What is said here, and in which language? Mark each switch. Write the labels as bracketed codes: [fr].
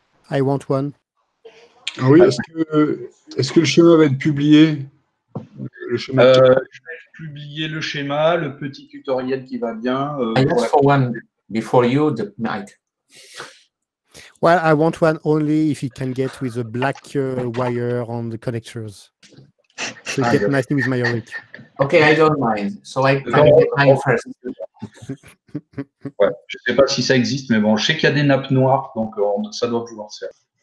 [en] I want one. [fr] Ah oui, est-ce que le schéma va être publié? Le schéma je vais publier le schéma, le petit tutoriel qui va bien. [en] Before you, the mic. Well, I want one only if it can get with a black wire on the connectors. So it gets nicely with my Auric. Okay, I don't mind. So I can get mine first. [fr] Ouais, je ne sais pas si ça existe, mais bon, je sais qu'il y a des nappes noires, donc ça doit pouvoir se faire.